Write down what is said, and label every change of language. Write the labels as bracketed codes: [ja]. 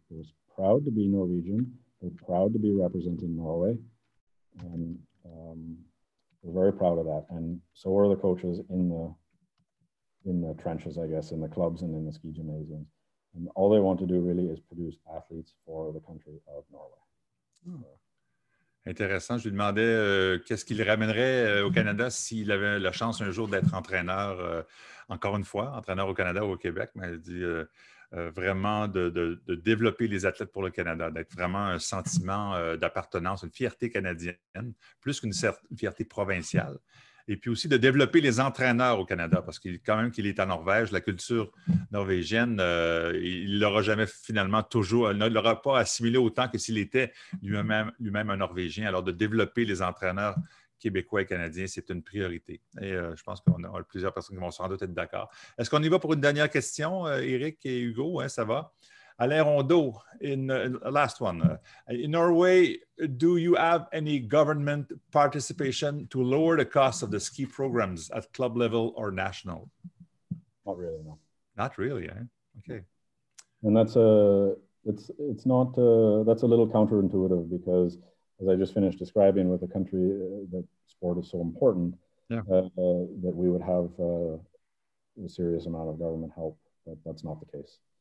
[en] They're proud to be Norwegian. They're proud to be representing Norway. And we're very proud of that. And so are the coaches in the trenches, I guess, in the clubs and in the ski gymnasiums. And all they want to do really is produce athletes for the country of Norway. [fr] Intéressant. Je lui demandais qu'est-ce qu'il ramènerait au Canada s'il avait la chance un jour d'être entraîneur, encore une fois, entraîneur au Canada ou au Québec. Mais il dit vraiment de développer les athlètes pour le Canada, d'être vraiment un sentiment d'appartenance, une fierté canadienne, plus qu'une fierté provinciale. Et puis aussi de développer les entraîneurs au Canada, parce qu'il, quand même qu'il est en Norvège, la culture norvégienne, il ne l'aura jamais finalement toujours, il ne l'aura pas assimilé autant que s'il était lui-même un Norvégien. Alors, de développer les entraîneurs québécois et canadiens, c'est une priorité. Et je pense qu'on a plusieurs personnes qui vont sans doute être d'accord. Est-ce qu'on y va pour une dernière question, Eric et Hugo? Hein, ça va? Alain Rondeau, [en] last one. In Norway, do you have any government participation to lower the cost of the ski programs at club level or national? Not really, no. Not really, eh? Okay. And that's a little counterintuitive, because as I just finished describing with a country that sport is so important, that we would have a serious amount of government help, but that's not the case.